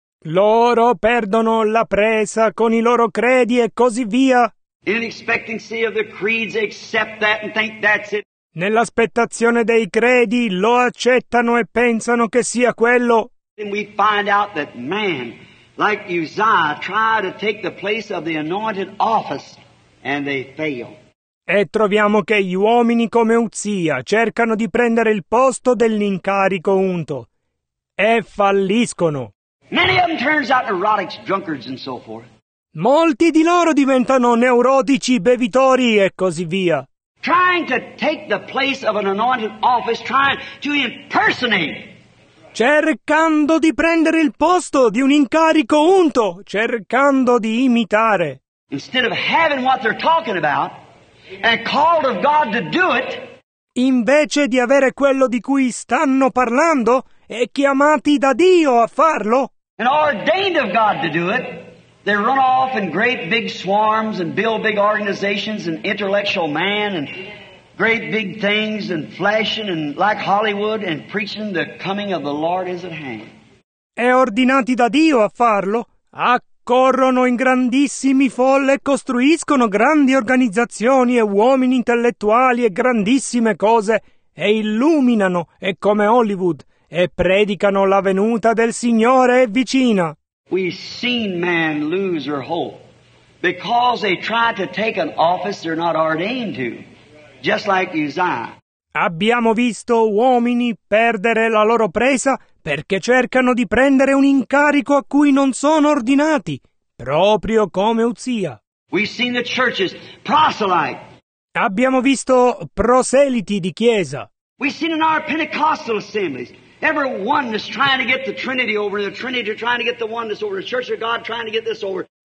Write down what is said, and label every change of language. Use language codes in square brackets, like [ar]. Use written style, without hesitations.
[it] Loro perdono la presa con i loro credi e così via. [en] In expectancy of the creeds, they accept that and think that's it. [it] Nell'aspettazione dei credi lo accettano e pensano che sia quello. [en] And we find out that man, like Uzziah, tried to take the place of the anointed office and they fail. [it] E troviamo che gli uomini come Uzzia cercano di prendere il posto dell'incarico unto e falliscono. [en] Many of them turns out neurotics, drunkards and so forth. [it] Molti di loro diventano neurotici, bevitori e così via. [en] Trying to take the place of an anointed office, trying to impersonate. [it] Cercando di prendere il posto di un incarico unto, cercando di imitare. [en] Instead of having what they're talking about and called of God to do it, [it] invece di avere quello di cui stanno parlando e chiamati da Dio a farlo, [en] and ordained of God to do it, they run off in great big swarms and build big organizations and intellectual man and great big things and flashing and like Hollywood and preaching the coming of the Lord is at hand. [it] E ordinati da Dio a farlo, accorrono in grandissimi folle e costruiscono grandi organizzazioni e uomini intellettuali e grandissime cose e illuminano e come Hollywood e predicano la venuta del Signore è vicina. [en] We've seen man lose their hope because they try to take an office they're not ordained to, just like Uzziah. [it] Abbiamo visto uomini perdere la loro presa perché cercano di prendere un incarico a cui non sono ordinati, proprio come Uzzia. [en] We've seen the churches proselyte. [it] Abbiamo visto proseliti di chiesa. [en] We've seen in our Pentecostal assemblies. Every one is trying to get the Trinity over, the Trinity trying to get the oneness over, the Church of God trying to get this over.